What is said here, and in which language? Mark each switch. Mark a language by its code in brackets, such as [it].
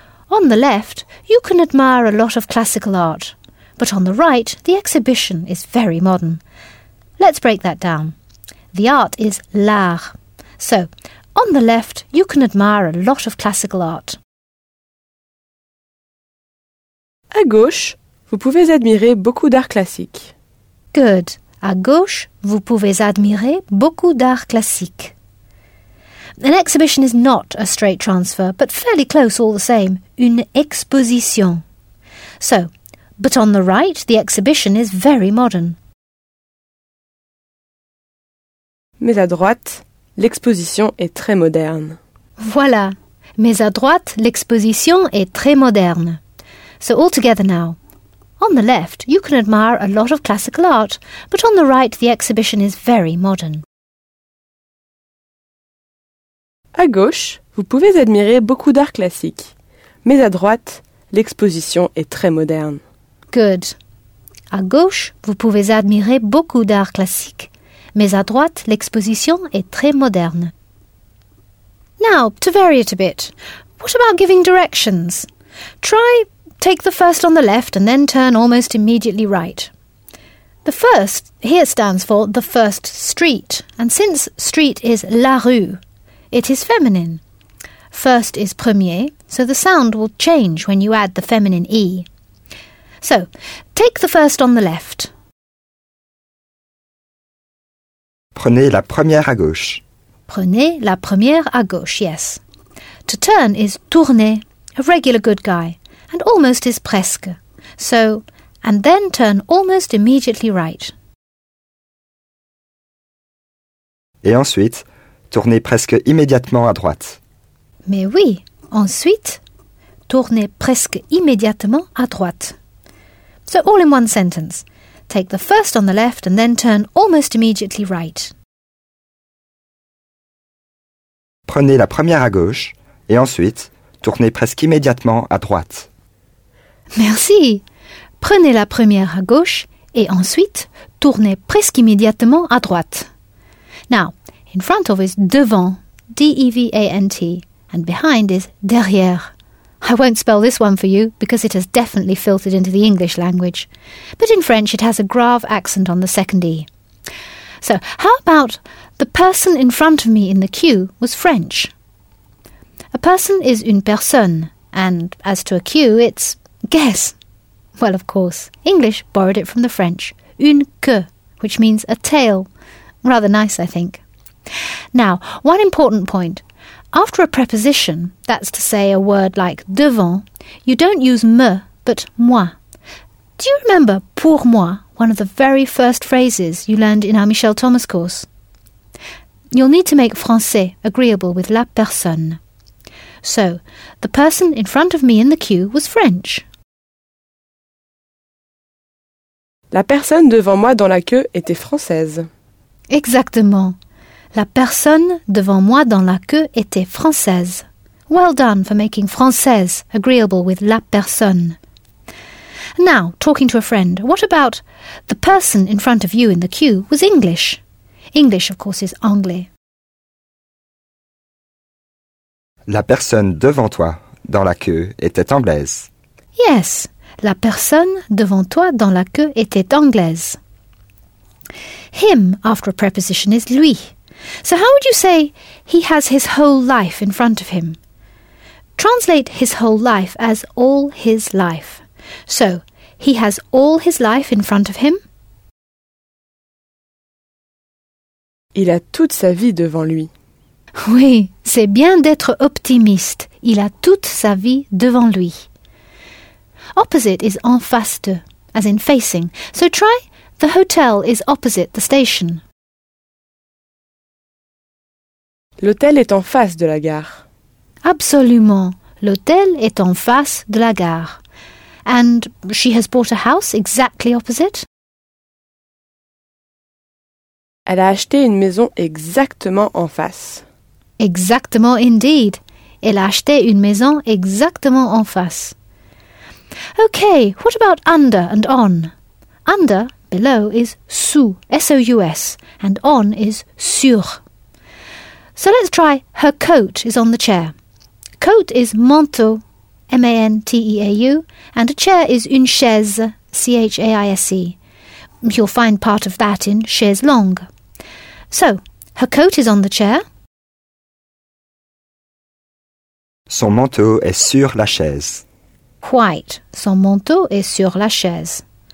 [en] On the left, you can admire a lot of classical art. But on the right, the exhibition is very modern. Let's break that down. The art is l'art. So, on the left, you can admire a lot of classical art. [fr] À gauche, vous pouvez admirer beaucoup d'art classique. [en] Good. [fr] À gauche, vous pouvez admirer beaucoup d'art classique. [en] An exhibition is not a straight transfer, but fairly close all the same. Une exposition. So, but on the right, the exhibition is very modern. [fr] Mais à droite, l'exposition est très moderne. Voilà. Mais à droite, l'exposition est très moderne. [en] So, all together now. On the left, you can admire a lot of classical art, but on the right, the exhibition is very modern. [fr] À gauche, vous pouvez admirer beaucoup d'art classique, mais à droite, l'exposition est très moderne. [en] Good. [fr] À gauche, vous pouvez admirer beaucoup d'art classique, mais à droite, l'exposition est très moderne. [en] Now, to vary it a bit, what about giving directions? Try take the first on the left and then turn almost immediately right. The first here stands for the first street, and since street is la rue, it is feminine. First is premier, so the sound will change when you add the feminine E. So, take the first on the left. [fr] Prenez la première à gauche. Prenez la première à gauche, [en] yes. To turn is tourner, a regular good guy. And almost is presque. So, and then turn almost immediately right. [fr] Et ensuite, tournez presque immédiatement à droite. Mais oui, ensuite, tournez presque immédiatement à droite. [en] So, all in one sentence. Take the first on the left and then turn almost immediately right. [fr] Prenez la première à gauche et ensuite, tournez presque immédiatement à droite. Merci. Prenez la première à gauche et ensuite tournez presque immédiatement à droite. [en] Now, in front of is devant, D-E-V-A-N-T, and behind is derrière. I won't spell this one for you because it has definitely filtered into the English language. But in French it has a grave accent on the second E. So, how about the person in front of me in the queue was French? A person is une personne, and as to a queue, it's guess. Well, of course, English borrowed it from the French, une queue, which means a tail. Rather nice, I think. Now, one important point. After a preposition, that's to say a word like devant, you don't use me, but moi. Do you remember [fr] pour moi, [en] one of the very first phrases you learned in our Michel Thomas course? You'll need to make français agreeable with la personne. So, the person in front of me in the queue was French. [fr] La personne devant moi dans la queue était française. Exactement. La personne devant moi dans la queue était française. [en] Well done for making française agreeable with la personne. Now, talking to a friend, what about the person in front of you in the queue was English? English, of course, is anglais. [fr] La personne devant toi dans la queue était anglaise. [en] Yes. [fr] La personne devant toi dans la queue était anglaise. [en] Him after a preposition is lui. So how would you say he has his whole life in front of him? Translate his whole life as all his life. So, he has all his life in front of him. [fr] Il a toute sa vie devant lui. Oui, c'est bien d'être optimiste. Il a toute sa vie devant lui. [en] Opposite is en face de, as in facing. So try, the hotel is opposite the station. [fr] L'hôtel est en face de la gare. Absolument, l'hôtel est en face de la gare. [en] And she has bought a house exactly opposite. [fr] Elle a acheté une maison exactement en face. Exactement [en] indeed. [fr] Elle a acheté une maison exactement en face. [en] Okay, what about under and on? Under, below, is sous, S-O-U-S, and on is sur. So let's try her coat is on the chair. Coat is manteau, M-A-N-T-E-A-U, and a chair is une chaise, C-H-A-I-S-E. You'll find part of that in chaise longue. So, her coat is on the chair. [fr] Son manteau est sur la chaise. [en] Quite. [fr] Son manteau est sur la chaise.